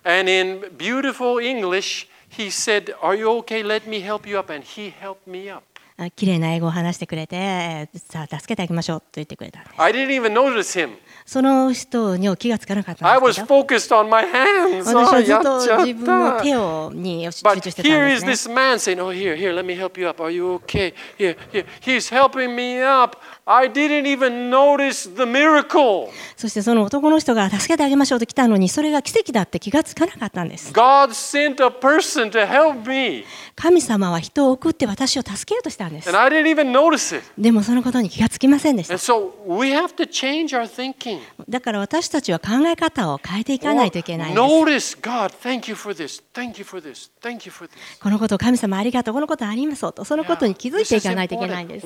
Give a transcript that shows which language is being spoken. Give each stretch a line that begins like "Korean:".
English: and in beautiful English he said, "Are you okay? Let me help you up." And he helped me up.
Japanese: きれいな英語を話してくれて、さあ助けてあげましょうと言ってくれたんです。その人には気がつかなかったんですけど、私はずっと自分の手をに集中してたんですね。
English: But here is this man saying, "Oh, here, let me help you up. Are you okay? Here, he's helping me up. I didn't even notice the miracle."
Japanese: そしてその男の人が助けてあげましょうと来たのに、それが奇跡だって気がつかなかったんです。
English: God sent a person to help me.
Japanese: 神様は人を送って私を助けようとしたたんです。
English: And I didn't even notice it.
Japanese: でもそのことに気がつきませんでした。
English: And so we have to change our thinking.
Japanese: だから私たちは考え方を変えていかないといけないんです。
English: Notice God, thank you for this, thank you for this, thank you for this.
Japanese: このことを神様ありがとう、このことありますと、そのことに気づいていかないといけないんです。